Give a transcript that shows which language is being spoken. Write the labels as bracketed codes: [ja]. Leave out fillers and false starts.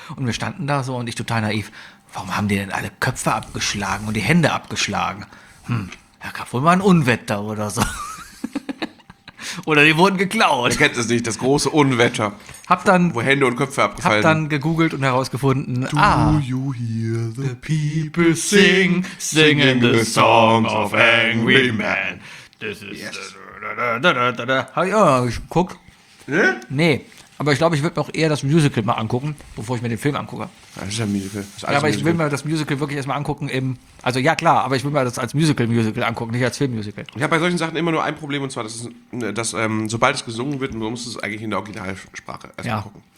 [de] Und wir standen da so und ich total naiv, warum haben die denn alle Köpfe abgeschlagen und die Hände abgeschlagen? Da gab wohl mal ein Unwetter oder so. Oder die wurden geklaut. Ihr kennt es nicht, das große Unwetter. Hab dann, wo Hände und Köpfe abgefallen. Hab dann gegoogelt und herausgefunden, [en] do you hear the people sing, singing the songs of angry men? This is... Yes. [de] Hab ich auch mal geguckt. Nee, aber ich glaube, ich würde mir auch eher das Musical mal angucken, bevor ich mir den Film angucke. Das ist ein Musical. Ja, aber Musical. Ich will mir das Musical wirklich erstmal angucken im... Also ja, klar, aber ich will mir das als Musical-Musical angucken, nicht als Film-Musical. Ich habe bei solchen Sachen immer nur ein Problem, und zwar, dass sobald es gesungen wird, musst du es eigentlich in der Originalsprache erstmal, ja, gucken.